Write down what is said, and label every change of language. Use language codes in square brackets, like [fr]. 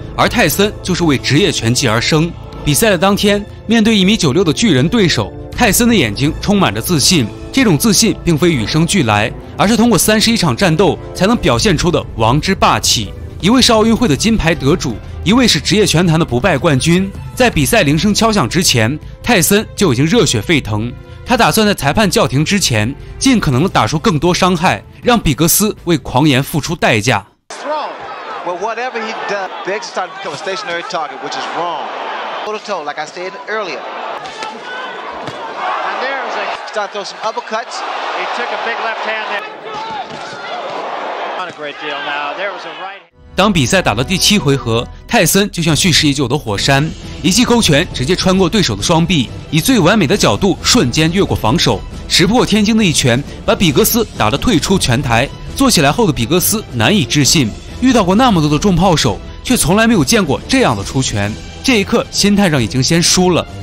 [zh] 而泰森就是为职业拳击而生。比赛的当天，面对1.96米的巨人对手，泰森的眼睛充满着自信，这种自信并非与生俱来，而是通过31场战斗才能表现出的王之霸气。一位是奥运会的金牌得主，一位是职业拳坛的不败冠军。在比赛铃声敲响之前，泰森就已经热血沸腾，他打算在裁判叫停之前尽可能地打出更多伤害，让比格斯为狂言付出代价。 [en] Well, whatever he does, Biggs is trying to become a stationary target, which is wrong. Toe to toe, like I said earlier. And there was a... He's trying to throw some uppercuts. He took a big left hand there. Not a great deal now. There was a right... [zh] 当比赛打到第七回合，泰森就像蓄势已久的火山，一记勾拳直接穿过对手的双臂，以最完美的角度瞬间越过防守，石破天惊的一拳把比格斯打得退出拳台。坐起来后的比格斯难以置信，遇到过那么多的重炮手，却从来没有见过这样的出拳，这一刻心态上已经先输了。